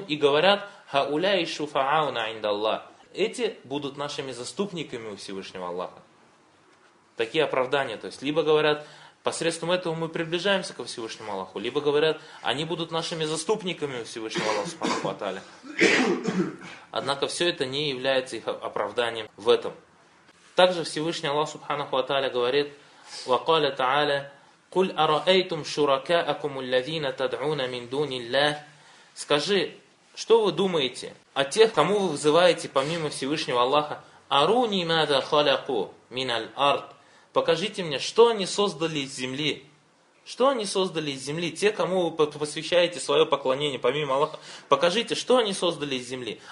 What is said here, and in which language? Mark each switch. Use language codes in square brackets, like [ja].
[ru] И говорят: [ar] «Ха уляй шуфа'ауна инда Аллах». [ru] Эти будут нашими заступниками у Всевышнего Аллаха. Такие оправдания. То есть либо говорят: посредством этого мы приближаемся ко Всевышнему Аллаху, либо говорят: они будут нашими заступниками у Всевышнего Аллаха Субханаху ва Тааля. Однако все это не является их оправданием в этом. Также Всевышний Аллах Субханаху ва Тааля говорит: [ar] وَقَالَ تَعَالَى قُلْ أَرَأَيْتُمْ شُرَكَاءَكُمُ الَّذِينَ تَدْعُونَ مِنْ دُونِ اللَّهِ. [ru] Скажи, что вы думаете о тех, кому вы вызываете помимо Всевышнего Аллаха? [ar] أَرُونِ مَاذَا خَلَقُوا مِنَ الْأَرْضِ. [ru] Покажите мне, что они создали из земли. Что они создали из земли? Те, кому вы посвящаете свое поклонение помимо Аллаха. Покажите, что они создали из земли.